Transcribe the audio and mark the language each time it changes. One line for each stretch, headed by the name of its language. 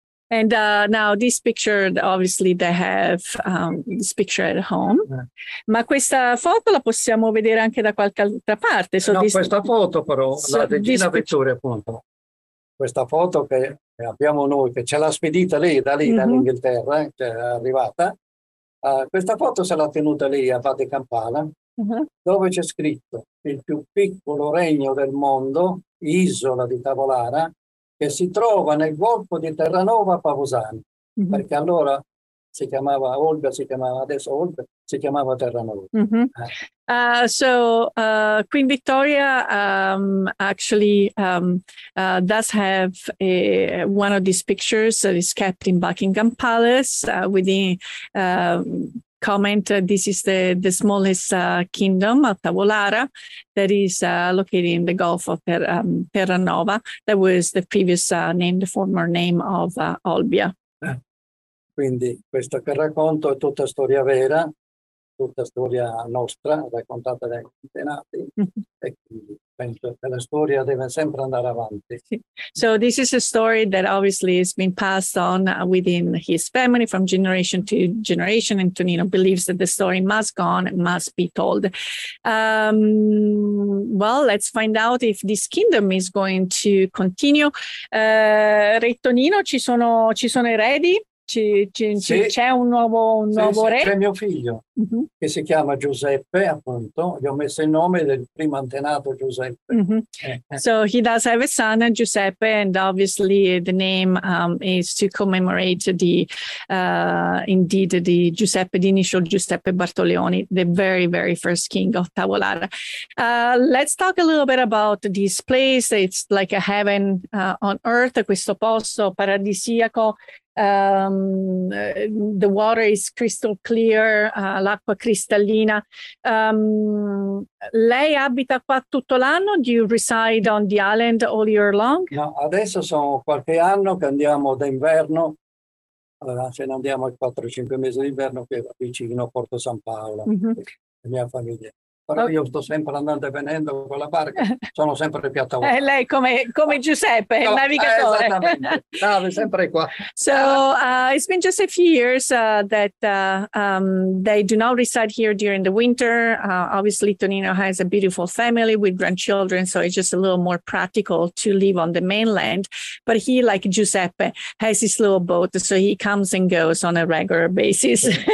English: And now this picture, obviously they have this picture at home.
Italian: Ma questa foto la possiamo vedere anche da qualche altra parte.
English: So no, this,
Italian: questa foto però, so la regina Vittoria appunto, questa foto che abbiamo noi, che ce l'ha spedita lì, da lì, mm-hmm. dall'Inghilterra, che è arrivata, questa foto se l'ha tenuta lì a Vade Campana, mm-hmm. dove c'è scritto il più piccolo regno del mondo, isola di Tavolara, che si trova nel golfo di Terranova Pausani, mm-hmm. perché allora si chiamava Olbia, si chiamava adesso Olbia, si chiamava Terranova. Mm-hmm.
English: Queen Victoria does have one of these pictures that is kept in Buckingham Palace with the comment, this is the smallest kingdom of Tavolara that is located in the Gulf of Terranova. That was the previous name, the former name of Olbia.
Italian: Quindi questo che racconto è tutta storia vera, tutta storia nostra, raccontata dai antenati, e quindi penso che la storia deve sempre andare avanti.
English: So this is a story that obviously has been passed on within his family from generation to generation, and Tonino believes that the story must go on, must be told. Well, let's find out if this kingdom is going to continue.
Italian: Re Tonino, ci sono eredi? C'è un nuovo re? C'è mio figlio, uh-huh. che si chiama Giuseppe, appunto. Gli ho messo il nome del primo antenato Giuseppe. Uh-huh.
English: So he does have a son, Giuseppe, and obviously the name is to commemorate the indeed the Giuseppe, the initial Giuseppe Bartoleone, the very, very first king of Tavolara. Let's talk a little bit about this place. It's like a heaven on earth,
Italian: questo posto paradisiaco.
English: The water is crystal clear,
Italian: l'acqua cristallina. Lei abita qua tutto l'anno?
English: Do you reside on the island all year long?
Italian: No, adesso sono qualche anno che andiamo d'inverno Allora, se ne andiamo ai 4-5 mesi d'inverno, qui vicino a Porto San Paolo, la mia famiglia. Però io sto sempre andando e venendo con la barca, sono sempre più a tavola. Lei come Giuseppe, il navigatore. Esattamente, no, sempre qua.
English: So it's been just a few years that they do not reside here during the winter. Obviously, Tonino has a beautiful family with grandchildren, so it's just a little more practical to live on the mainland. But he, like Giuseppe, has his little boat, so he comes and goes on a regular basis.